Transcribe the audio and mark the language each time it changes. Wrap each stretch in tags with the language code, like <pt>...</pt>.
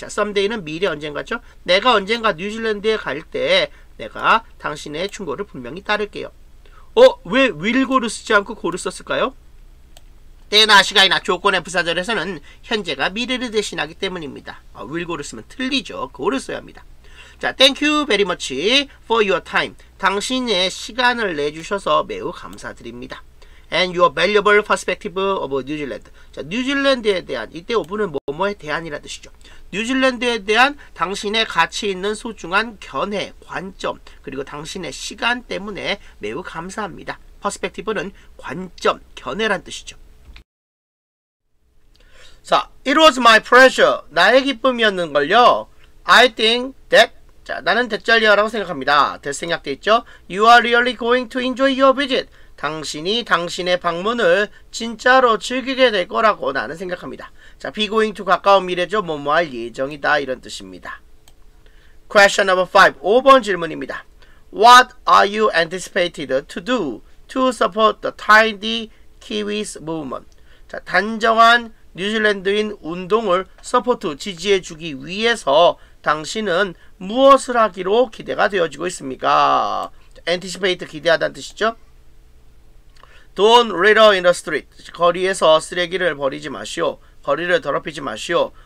<ko>자, someday는 미래 언젠가죠? 내가 언젠가 뉴질랜드에 갈 때 내가 당신의 충고를 분명히 따를게요. 어? 왜 will 고를 쓰지 않고 고를 썼을까요? 때나 시간이나 조건의 부사절에서는 현재가 미래를 대신하기 때문입니다. will 고를 쓰면 틀리죠. 고를 써야 합니다.</ko> <en>자, thank you very much for your time.</en> <ko>당신의 시간을 내주셔서 매우 감사드립니다.</ko> <en>and your valuable perspective of New Zealand.</en> <ko>자, 뉴질랜드에 대한, 이때 오브는 뭐뭐에 대한이라 뜻이죠. 뉴질랜드에 대한 당신의 가치 있는 소중한 견해, 관점, 그리고 당신의 시간 때문에 매우 감사합니다. perspective는 관점, 견해란 뜻이죠.</ko> <en>자, it was my pleasure.</en> <ko>나의 기쁨이었는걸요.</ko> <en>I think that,</en> <ko>자, 나는 대짤리아라고 생각합니다. 대스 생략되어 있죠.</ko> <en>You are really going to enjoy your visit.</en> <ko>당신이 당신의 방문을 진짜로 즐기게 될 거라고 나는 생각합니다. 자, be going to 가까운 미래죠. 뭐뭐 할 예정이다 이런 뜻입니다.</ko> <en>Question number 5.</en> <ko>5번 질문입니다.</ko> <en>What are you anticipated to do to support the tidy Kiwis movement?</en> <ko>자, 단정한 뉴질랜드인 운동을 서포트, 지지해 주기 위해서 당신은 무엇을 하기로 기대가 되어지고 있습니까?</ko> <en>anticipate</en> <ko>기대하다는 뜻이죠.</ko> <en>Don't litter in the street.</en> <ko>거리에서 쓰레기를 버리지 마시오. 거리를 더럽히지 마시오.</ko>